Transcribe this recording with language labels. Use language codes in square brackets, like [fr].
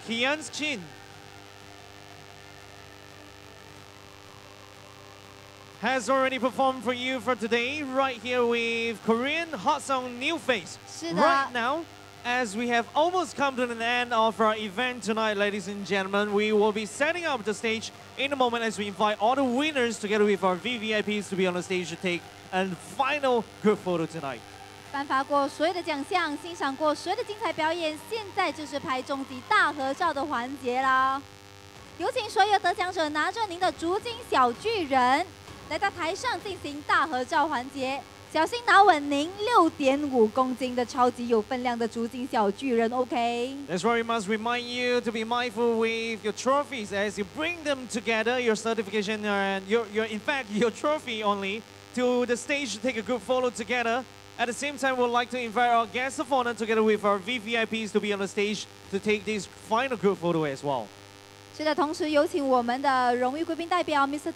[en] Kian Chin has already performed for you for today, right here with Korean Hot Song New Face. Right now, as we have almost come to an end of our event tonight, ladies and gentlemen, we will be setting up the stage in a moment as we invite all the winners together with our VVIPs to be on the stage to take a final good photo tonight. [zh] 颁发过所有的奖项，欣赏过所有的精彩表演，现在就是拍终极大合照的环节了。有请所有得奖者拿着您的竹筋小巨人，来到台上进行大合照环节。小心拿稳您6.5公斤的超级有分量的竹筋小巨人 ，OK？ [en] That's why we must remind you to be mindful with your trophies as you bring them together, your certification and your trophy only to the stage to take a good photo together. At the same time, we'd like to invite our guests of honor together with our VVIPs to be on the stage to take this final group photo as well. [zh] 是的，同时有请我们的荣誉贵宾代表 Mr.